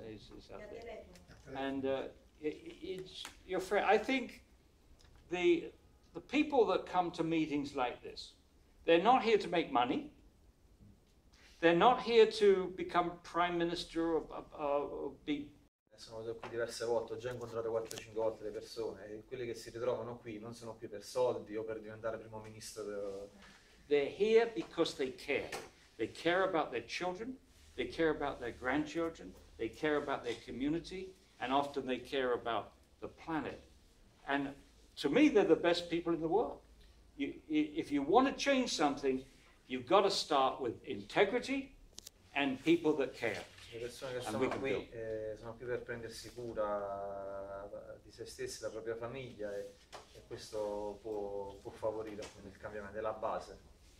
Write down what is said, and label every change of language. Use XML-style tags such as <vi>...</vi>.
<en>He's out there. And it's your friend. I think the people that come to meetings like this, they're not here to make money. They're not here to become prime minister or be...</en> <it>Sono venuto qui diverse volte, ho già incontrato 4-5 volte le persone e quelli che si ritrovano qui non sono qui per soldi o per diventare primo ministro.</it> <en>They're here because they care. They care about their children, they care about their grandchildren, they care about their community, and often they care about the planet. And to me they're the best people in the world. If you want to change something, you've got to start with integrity and people that care.</en> <it>Le persone che sono qui sono qui per prendersi cura di se stessi, della propria famiglia, e questo può favorire il cambiamento della base.</it>